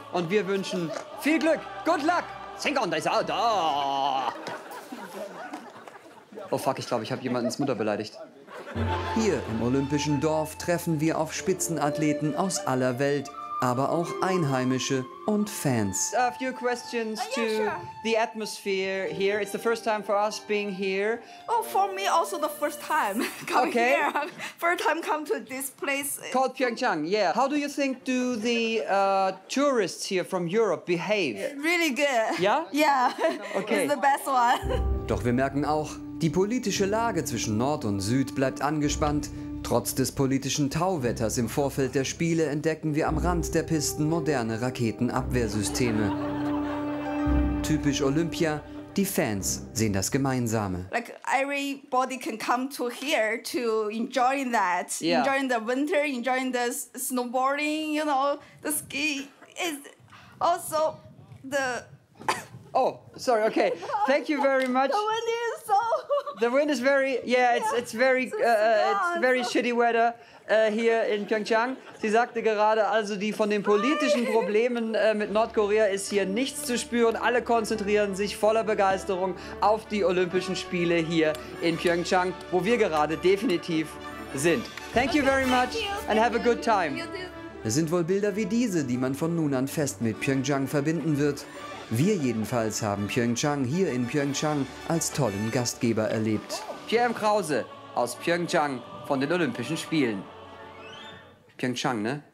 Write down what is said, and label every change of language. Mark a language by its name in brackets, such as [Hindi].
[German] Und wir wünschen viel Glück. [English] Good luck. Sing on, [German] da. Oh fuck, ich glaube, ich habe jemanden ins Mutter beleidigt. Hier im olympischen Dorf treffen wir auf Spitzenathleten aus aller Welt, aber auch Einheimische und Fans. [English] A few questions to the atmosphere here. It's the first time for us being here. Oh, for me also the first time coming here. First time come to this place. Called Pyeongchang, yeah. How do you think do the tourists here from Europe behave? Really good. Yeah? Yeah, okay. It's the best one. [German] Doch wir merken auch, die politische Lage zwischen Nord und Süd bleibt angespannt. Trotz des politischen Tauwetters im Vorfeld der Spiele entdecken wir am Rand der Pisten moderne Raketenabwehrsysteme. Typisch Olympia, die Fans sehen das Gemeinsame. [English] Like everybody can come to here to enjoy that. Yeah. Enjoying the winter, enjoying the snowboarding, you know, the ski is also the... Oh, sorry, okay. Thank you very much. The wind is so... The wind is very... Yeah, it's very it's very shitty weather here in Pyeongchang. [German] Sie sagte gerade, also die von den politischen Problemen mit Nordkorea ist hier nichts zu spüren. Alle konzentrieren sich voller Begeisterung auf die Olympischen Spiele hier in Pyeongchang, wo wir gerade definitiv sind. [English] Thank you very much and have a good time. [German] Es sind wohl Bilder wie diese, die man von nun an fest mit Pyeongchang verbinden wird. Wir jedenfalls haben Pyeongchang hier in Pyeongchang als tollen Gastgeber erlebt. Pierre M. Krause aus Pyeongchang von den Olympischen Spielen. Pyeongchang, ne?